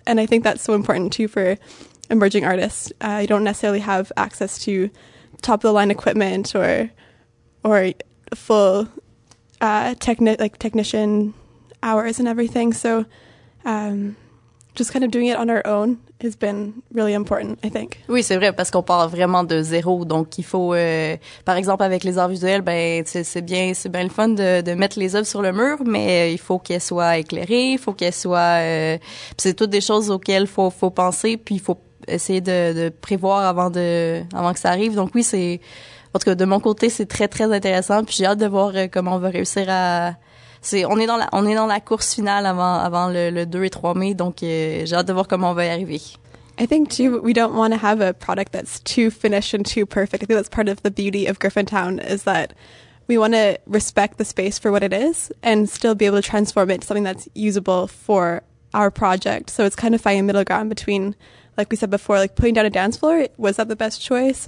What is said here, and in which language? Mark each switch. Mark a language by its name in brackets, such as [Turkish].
[English] And I think that's so important too for emerging artists. You don't necessarily have access to top of the line equipment or full technician hours and everything. So just kind of doing it on our own has been really important, I think. [French] Oui, c'est vrai, parce qu'on part vraiment de zéro. Donc, il faut, par exemple, avec les arts visuels, ben, c'est bien le fun de mettre les œuvres sur le mur, mais il faut qu'elles soient éclairées, il faut qu'elles soient, pis c'est toutes des choses auxquelles faut penser, puis il faut essayer de prévoir avant que ça arrive. Donc oui, c'est, en tout cas, de mon côté, c'est très, très intéressant, puis j'ai hâte de voir comment on va réussir à... On est dans la course finale avant le 2 et 3 mai, donc j'ai hâte de voir comment on va y arriver. [English] I think too, we don't want to have a product that's too finished and too perfect. I think that's part of the beauty of Griffintown, is that we want to respect the space for what it is and still be able to transform it to something that's usable for our project. So it's kind of finding a middle ground between, like we said before, like putting down a dance floor, was that the best choice?